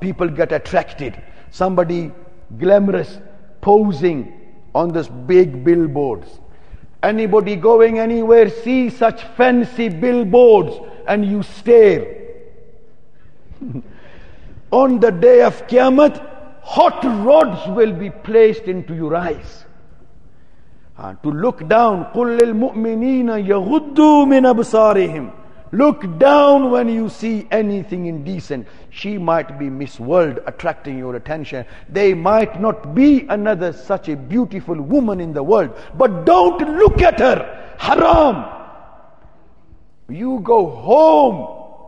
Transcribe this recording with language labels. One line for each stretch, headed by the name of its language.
English: People get attracted. Somebody glamorous posing on this big billboards. Anybody going anywhere see such fancy billboards and you stare. On the day of Qiyamah, hot rods will be placed into your eyes. To look down,
Arabic: قُلْ لِلْمُؤْمِنِينَ يَغُدُّوا مِنْ أَبْصَارِهِمْ.
English: Look down when you see anything indecent. She might be Miss World attracting your attention. They might not be another such a beautiful woman in the world. But don't look at her. Haram. You go home.